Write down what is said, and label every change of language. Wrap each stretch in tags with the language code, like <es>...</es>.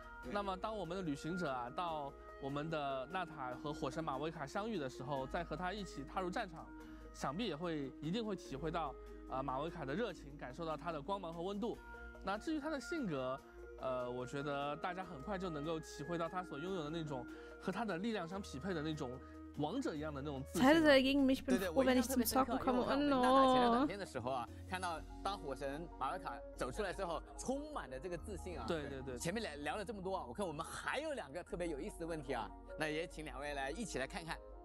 <zh>那么，当我们的旅行者啊到我们的纳塔和火神马维卡相遇的时候，再和他一起踏入战场，想必也会一定会体会到马维卡的热情，感受到他的光芒和温度。那至于他的性格，我觉得大家很快就能够体会到他所拥有的那种和他的力量相匹配的那种王者一样的那种自信。</zh> <de>Zeit ist gegen mich, bin froh, wenn ich zum Zocken komme.</de> <en>Oh no！</en> <zh>天的时候啊，看到当火神马维卡走出来之后，充满了这个自信啊。对对对。前面聊了这么多啊，我看我们还有两个特别有意思的问题啊，那也请两位来一起来看看。</zh>